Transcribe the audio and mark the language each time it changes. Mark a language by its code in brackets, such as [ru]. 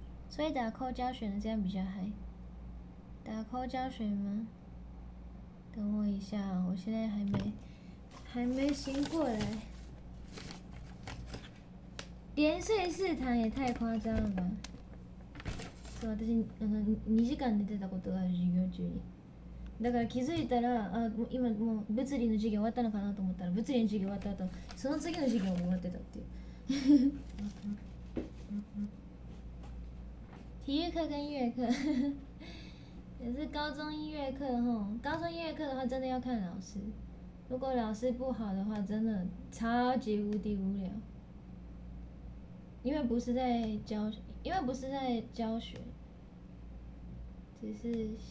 [zh] 所以打扣教学的这样比较嗨。打扣教学吗？等我一下，我现在还没醒过来。连睡四堂也太夸张了吧？是吧？ [ja] 但是2時間寝てたことが授業中に。だから気づいたら、あ、今もう物理の授業終わったのかなと思ったら、物理の授業終わった後、その次の授業も終わってたっていう。 [zh] 体育课跟音乐课也是高中音乐课吼。高中音乐课的话，真的要看老师。如果老师不好的话，真的超级无敌无聊。因为不是在教学，只是。